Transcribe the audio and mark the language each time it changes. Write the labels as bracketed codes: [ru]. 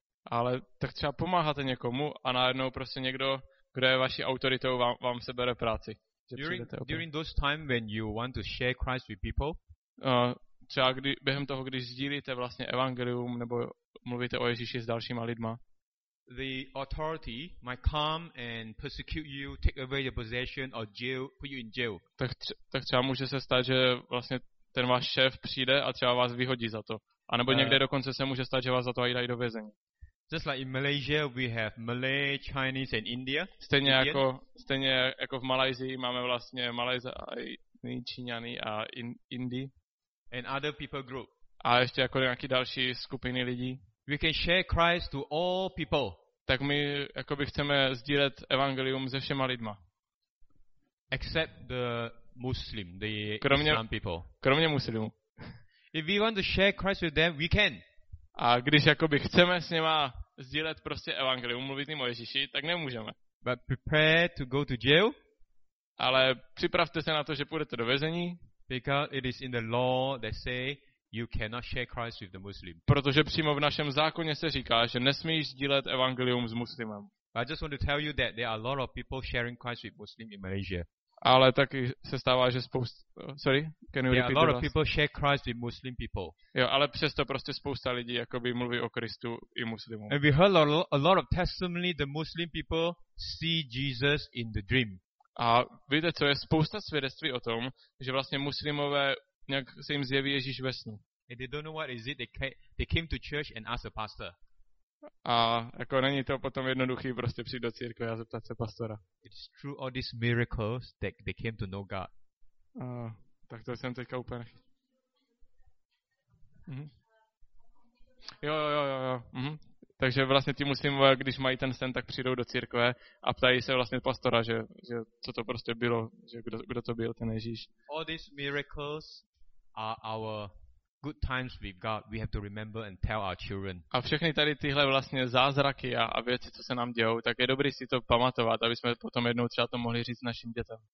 [cs] Ale tak třeba pomáháte někomu a najednou prostě někdo, kdo je vaší autoritou, vám sebere práci. [en] During those time when you want to share Christ with people, [cs] během toho, když sdílíte vlastně evangelium nebo mluvíte o Ježíši s dalšíma lidma, [en] the authority might come and persecute you, take away your possession or jail, put you in jail. [cs] Tak třeba může se stát, že vlastně ten váš šéf přijde a třeba vás vyhodí za to. A nebo někde dokonce se může stát, že vás za to aj dají do vězení. [en] Just like in Malaysia, we have Malay, Chinese and India. [cs] Stejně jako v Malajzii máme vlastně Malajzi, Číňany a Indii. [en] And other people group. [cs] A ještě jako nějaký další skupiny lidí. [en] We can share Christ to all people. [cs] Tak my jakoby chceme sdílet evangelium se všema lidma. [en] Except the Muslim, the Islam people. [cs] Kromě muslimů. [en] If we want to share Christ with them, we can. [cs] A když jakoby chceme s něma sdílet prostě evangelium, mluvit jim o Ježíši, tak nemůžeme. [en] But prepare to go to jail. [cs] Ale připravte se na to, že půjdete do vězení. [en] Because it is in the law that say you cannot share Christ with the Muslim. [cs] Protože přímo v našem zákoně se říká, že nesmíš sdílet evangelium s muslimem. [en] But I just want to tell you that there are a lot of people sharing Christ with Muslim in Malaysia. [cs] Ale taky se stává, že [en] a lot of people share Christ with Muslim people. [cs] Jo, ale přesto prostě spousta lidí jakoby mluví o Kristu i muslimům. [en] And we heard a lot of testimony the Muslim people see Jesus in the dream. [cs] A víte, co je spousta svědectví o tom, že vlastně muslimové nějak se jim zjeví Ježíš ve snu. [en] And they don't know what is it, they came to church and asked the pastor. [cs] A jako není to potom jednoduchý prostě přijít do církve a zeptat se pastora. [en] It's true all these miracles that they came to know God. [cs] Tak to jsem teďka úplně. Jo. Takže vlastně ti muslimové, když mají ten sen, tak přijdou do církve a ptají se vlastně pastora, že co to prostě bylo, že kdo to byl ten Ježíš. [en] All these miracles are our good times with God, we have to remember and tell our children. [cs] A všechny tady tyhle vlastně zázraky a věci, co se nám dějou, tak je dobré si to pamatovat, aby jsme potom jednou třeba to mohli říct našim dětem.